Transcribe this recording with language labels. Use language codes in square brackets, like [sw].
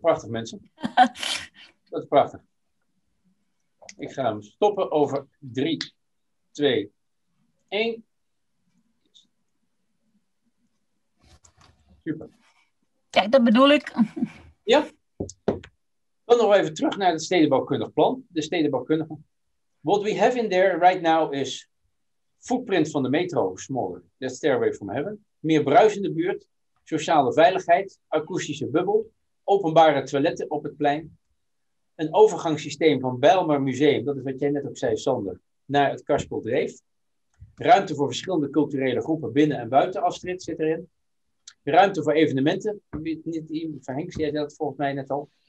[nl] Prachtig, mensen. Dat is prachtig. Ik ga hem stoppen over 3, 2, 1. Super. Kijk, dat bedoel ik. Ja. Dan nog even terug naar het stedenbouwkundig plan. De stedenbouwkundige. [en] What we have in there right now is footprint [nl] van de metro, [en] smaller. That's stairway from heaven. [nl] Meer bruis in de buurt. Sociale veiligheid, akoestische bubbel, openbare toiletten op het plein, een overgangssysteem van Bijlmer Museum, dat is wat jij net ook zei, Sander, naar het Karspel Dreef, ruimte voor verschillende culturele groepen binnen en buiten Astrid zit erin, ruimte voor evenementen, niet van Henk, jij zei dat volgens mij net al.